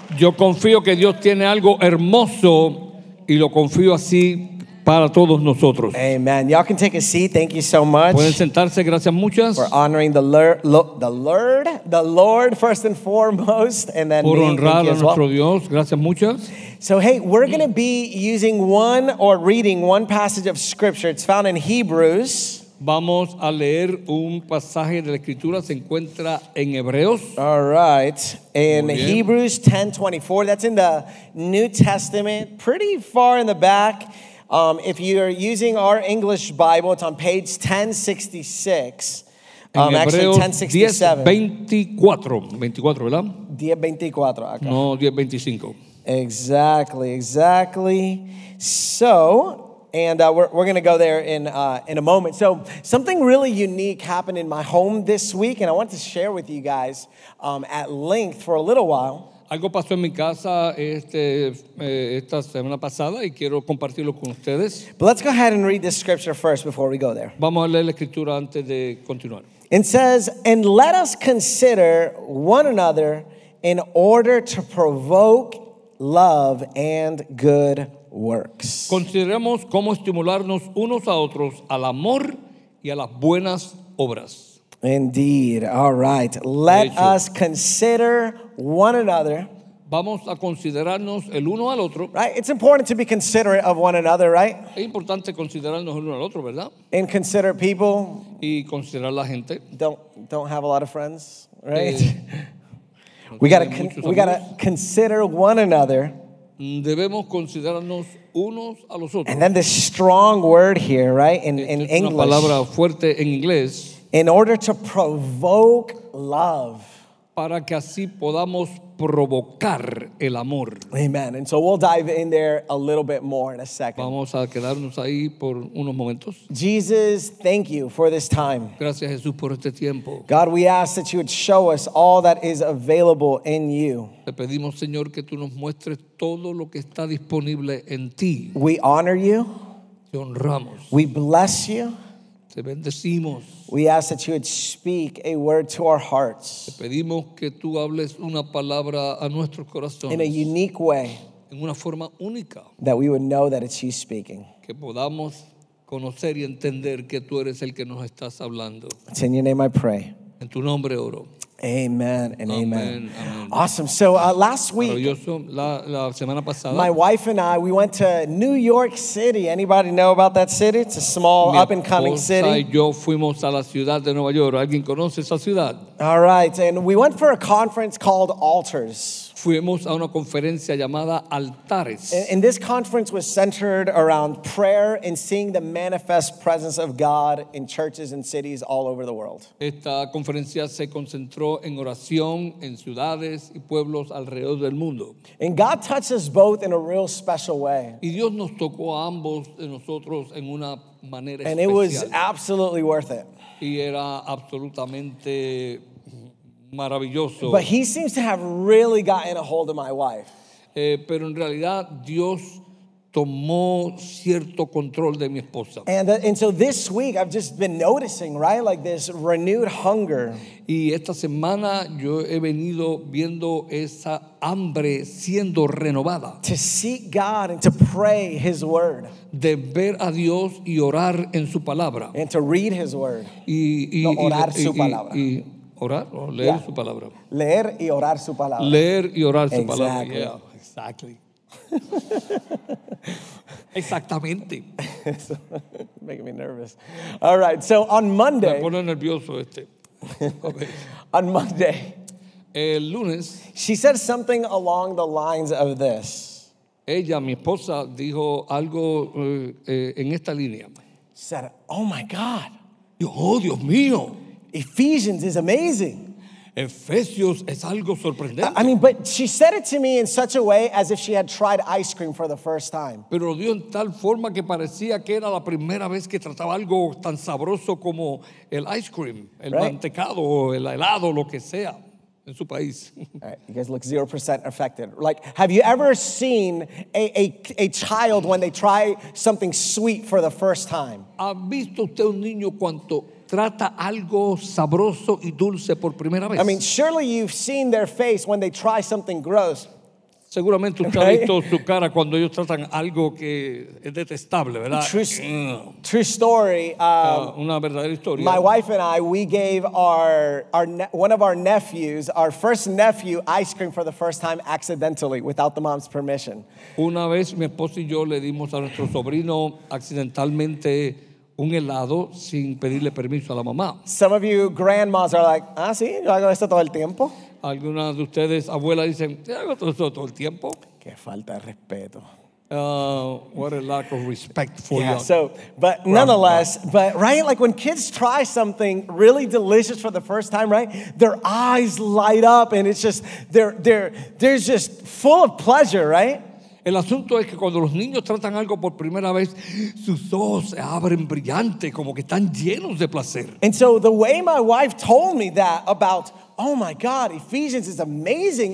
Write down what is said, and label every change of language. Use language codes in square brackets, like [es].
[es] Yo confío que Dios tiene algo hermoso y lo confío así para todos nosotros. [en] Amen. Y'all can take a seat. Thank you so much. [es] Pueden sentarse. Gracias muchas. [en] For honoring the Lord first and foremost, and then [es] por honrar [en] me, [es] a nuestro [en] well. [es] Dios. Gracias muchas. [en] So hey, we're going to be using one or reading one passage of scripture. It's found in Hebrews. [es] Vamos a leer un pasaje de la escritura, se encuentra en Hebreos. [en] All right. In Hebrews 10:24, that's in the New Testament, pretty far in the back. If you're using our English Bible, it's on page 1066. [es] En Hebreos 10:24, ¿verdad? 10:24 acá. No, 10:25. [en] Exactly. So, and we're going to go there in a moment. So something really unique happened in my home this week, and I want to share with you guys at length for a little while. [es] Algo pasó en mi casa esta semana pasada y quiero compartirlo con ustedes. [en] But let's go ahead and read this scripture first before we go there. [es] Vamos a leer la escritura antes de continuar. [en] It says, "And let us consider one another in order to provoke love and good works." [es] Consideremos cómo estimularnos unos a otros al amor y a las buenas obras. [en] Indeed. All right. Let us consider one another. [es] Vamos a considerarnos el uno al otro. [en] Right? It's important to be considerate of one another, right? [es] Es importante considerarnos el uno al otro, ¿verdad? [en] And consider people. [es] Y considerar la gente. [en] Don't have a lot of friends, right? We gotta consider one another. [es] Debemos considerarnos unos a los otros. [en] And then this strong word here, right? In [es] es una [en] English. [es] Palabra fuerte en inglés. [en] In order to provoke love. [es] Para que así podamos provocar el amor. [en] Amen. And so we'll dive in there a little bit more in a second. [es] Vamos a quedarnos ahí por unos momentos. [en] Jesus, thank you for this time. [es] Gracias, Jesús, por este tiempo. [en] God, we ask that you would show us all that is available in you. [es] Te pedimos, Señor, que tú nos muestres todo lo que está disponible en ti. [en] We honor you. [es] Te honramos. [en] We bless you. [es] Te bendecimos. [en] We ask that you would speak a word to our hearts. [es] Te pedimos que tú hables una palabra a nuestros corazones. [en] In a unique way. [es] En una forma única. [en] That we would know that it's you speaking. [es] Que podamos conocer y entender que tú eres el que nos estás hablando. [en] It's in your name I pray. [es] En tu nombre oro. [en] Amen and amen. Amen. Awesome. So last week, [es] la semana pasada, [en] my wife and I, we went to New York City. Anybody know about that city? It's a small, up and coming city. [es] Y yo fuimos a la ciudad de Nueva York. ¿Alguien conoce esa ciudad? [en] All right. And we went for a conference called Altars. [es] Fuimos a una conferencia llamada Altares. [en] And this conference was centered around prayer and seeing the manifest presence of God in churches and cities all over the world. [es] Esta conferencia se concentró en oración en ciudades y pueblos alrededor del mundo. [en] And God touched us both in a real special way. [es] Y Dios nos tocó a ambos de nosotros en una manera [en] and And it was absolutely worth it. [es] Y era absolutamente maravilloso. [en] But he seems to have really gotten a hold of my wife. [es] Pero en realidad Dios tomó cierto control de mi esposa. [en] And so this week I've just been noticing, right, like this renewed hunger. [es] Y esta semana yo he venido viendo esa hambre siendo renovada. [en] To seek God and to pray his word. [es] De ver a Dios y orar en su palabra. [en] And to read his word. [es] Y orar su palabra. Y orar o leer su palabra. Leer y orar su palabra. Leer y orar su [en] exactly. palabra. Yeah, exactly. [es] Exactamente. [en] Making me nervous. All right, so on Monday. [es] Me pone nervioso este. [en] Okay. On Monday. [es] El lunes. [en] She said something along the lines of this. [es] Ella, mi esposa, dijo algo en esta línea. [en] Said, oh my God. [es] Oh, Dios mío. [en] Ephesians is amazing. [es] Efesios es algo sorprendente. [en] I mean, but she said it to me in such a way as if she had tried ice cream for the first time. [es] Pero lo dio en tal forma que parecía que era la primera vez que trataba algo tan sabroso como el ice cream, el right. mantecado o el helado, lo que sea. En su país. [en] Right, you guys look 0% affected. Like, have you ever seen a child when they try something sweet for the first time? [es] ¿Ha visto usted un niño cuando trata algo sabroso y dulce por primera vez? [en] I mean, surely you've seen their face when they try something gross. [es] Seguramente usted ha visto su cara cuando ellos tratan algo que es detestable, ¿verdad? [en] True story. [es] Una verdadera historia. [en] My wife and I, we gave our first nephew ice cream for the first time accidentally without the mom's permission. [es] Una vez mi esposo y yo le dimos a nuestro sobrino accidentalmente un helado sin pedirle permiso a la mamá. [en] Some of you grandmas are like, [es] ah, sí, yo hago esto todo el tiempo. Algunas de ustedes, abuelas, dicen, ¿te hago esto todo el tiempo? Qué falta de respeto. [en] What a lack of respect for you. Yeah, so, but nonetheless, but right, like when kids try something really delicious for the first time, right, their eyes light up and it's just, they're just full of pleasure, right? [es] El asunto es que cuando los niños tratan algo por primera vez, sus ojos se abren brillante, como que están llenos de placer. [en] And so the way my wife told me that about, oh my God, Ephesians is amazing.